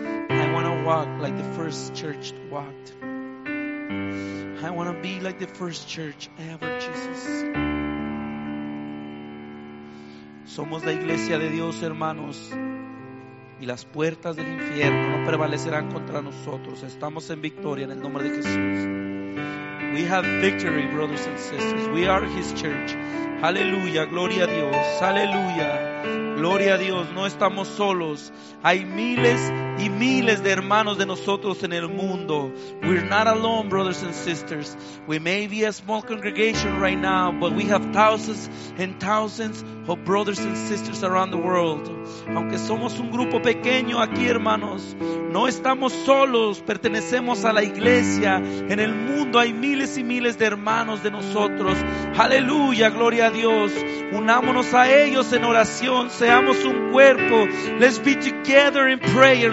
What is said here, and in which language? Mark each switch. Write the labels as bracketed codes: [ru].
[en] I want to walk like the first church walked. I want to be like the first church ever, Jesus. [es] Somos la iglesia de Dios, hermanos. Y las puertas del infierno no prevalecerán contra nosotros. Estamos en victoria en el nombre de Jesús. [en] We have victory, brothers and sisters. We are His church. [es] Aleluya, gloria a Dios. Aleluya, gloria a Dios. No estamos solos. Hay miles y miles de hermanos de nosotros en el mundo. [en] We're not alone, brothers and sisters. We may be a small congregation right now, but we have thousands and thousands of brothers and sisters around the world. [es] Aunque somos un grupo pequeño aquí, hermanos, no estamos solos. Pertenecemos a la iglesia. En el mundo hay miles y miles de hermanos de nosotros. Aleluya, gloria a Dios. Unámonos a ellos en oración. Seamos un cuerpo. [en] Let's be together in prayer.